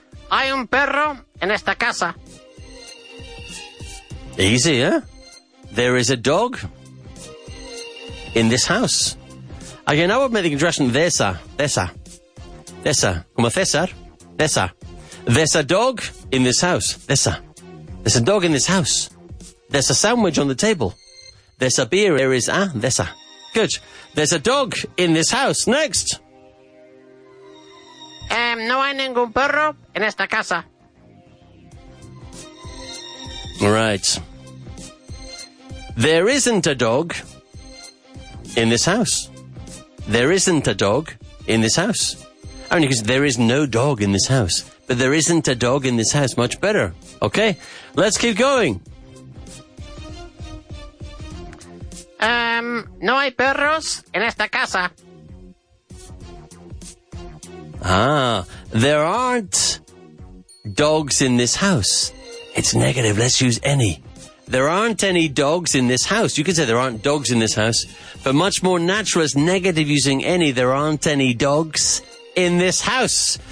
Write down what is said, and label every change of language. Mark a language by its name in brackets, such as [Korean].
[Spanish] Hay un perro en esta casa. [English] Easy, eh? There is a dog in this house. Again, I would make the congestion, there's a, [Spanish] como César, [English] there's a dog in this house. There's a dog in this house. There's a sandwich on the table. There's a beer. There is a, there's a. Good. There's a dog in this house. Next. [Spanish] No hay ningún perro en esta casa. [English] Right. There isn't a dog in this house. There isn't a dog in this house. I mean, because there is no dog in this house. But there isn't a dog in this house. Much better. Okay, let's keep going. [Spanish] No hay perros en esta casa. [English] Ah, there aren't dogs in this house. It's negative. Let's use any. There aren't any dogs in this house. You could say there aren't dogs in this house. But much more natural is negative using any. There aren't any dogs in this house.